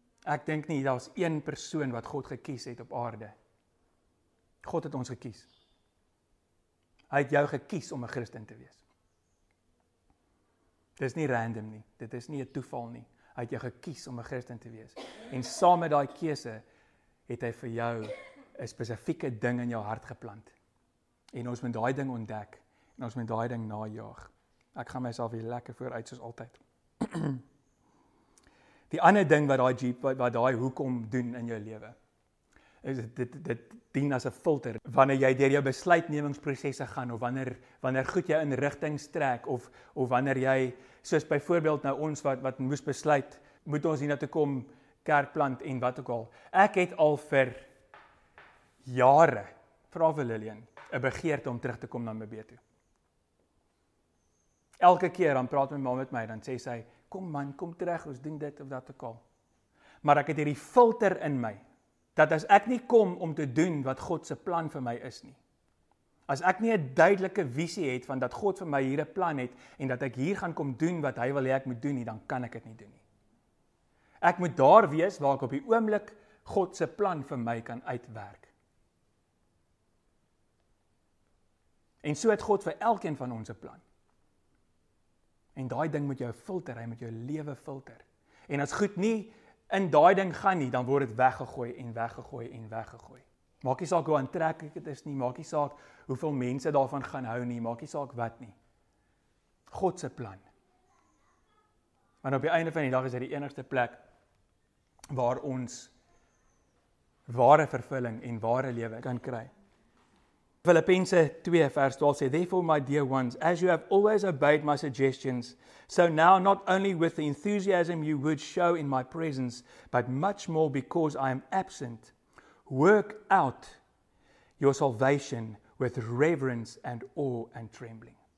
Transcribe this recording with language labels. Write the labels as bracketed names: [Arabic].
[Afrikaans] Ek dink nie, daar is een persoon wat God gekies het op aarde. God het ons gekies. Hy het jou gekies om 'n Christen te wees. Dit is nie random nie, dit is nie 'n toeval nie. Hy het jou gekies om 'n Christen te wees. En saam met daai keuse het hy vir jou 'n spesifieke ding in jou hart geplant. En ons moet daai ding ontdek, en ons moet daai ding najaag. Ek gaan myself hier lekker vooruit soos altyd. Die ander ding wat daai jeep, wat daai hoekom doen in jou lewe, is dit dien as 'n filter. Wanneer jy deur jou besluitnemingsprosesse gaan, of wanneer goed jy in rigting trek, of wanneer jy, soos byvoorbeeld nou ons wat moes besluit, moet ons hiernatoe kom, kerk plant en wat ook al. Ek het al vir jare, vra vir Lillian, 'n begeerte om terug te kom na Mbeto. Elke keer dan praat my ma met my, dan sê sy, kom man, kom terug, ons doen dit of dat ook al. Maar ek het hierdie filter in my, dat as ek nie kom om te doen wat God se plan vir my is nie, as ek nie 'n duidelike visie het van dat God vir my hier 'n plan het en dat ek hier gaan kom doen wat hy wil hê ek moet doen nie, dan kan ek dit nie doen nie. Ek moet daar wees waar ek op die oomblik God se plan vir my kan uitwerk. En so het God vir elkeen van ons 'n plan. En daai ding moet jou filter, hy moet jou lewe filter. En as goed nie in daai ding gaan nie, dan word dit weggegooi en weggegooi en weggegooi. Maak nie saak hoe aantreklik dit is nie, maak nie saak hoeveel mense daarvan gaan hou nie, maak nie saak wat nie. God se plan. Want op die einde van die dag is dit die enigste plek waar ons ware vervulling en ware lewe kan kry. Filippense 2 vers 12 sê, [English] therefore my dear ones, as you have always obeyed my suggestions, so now not only with the enthusiasm you would show in my presence, but much more because I am absent, work out your salvation with reverence and awe and trembling.